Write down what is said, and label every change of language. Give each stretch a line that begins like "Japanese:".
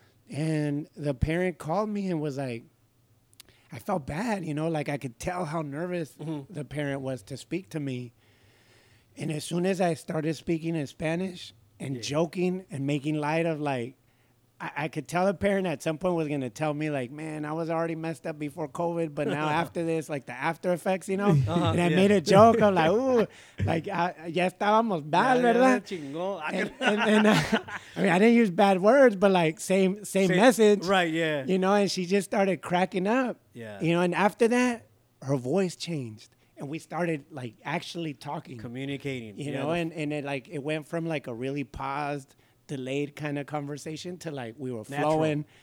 English: And the parent called me and was like, I felt bad, you know, like I could tell how nervous, mm-hmm, the parent was to speak to me. And as soon as I started speaking in Spanish and yeah joking and making light of, like, I could tell the parent at some point was going to tell me, like, man, I was already messed up before COVID, but now after this, like, the after effects, you know? Uh-huh, and I yeah made a joke. I'm like, ooh, like,
Spanish: ya estábamos mal, ¿verdad? Chingo.
English: I mean, I didn't use bad words, but, like, same message. Right, yeah. You know, and she just started cracking up. Yeah. You know, and after that, her voice changed. And we started, like, actually talking. Communicating. You know, yeah, and it, like, it went from, like, a really paused, delayed kind of conversation to, like, we were flowing. Natural.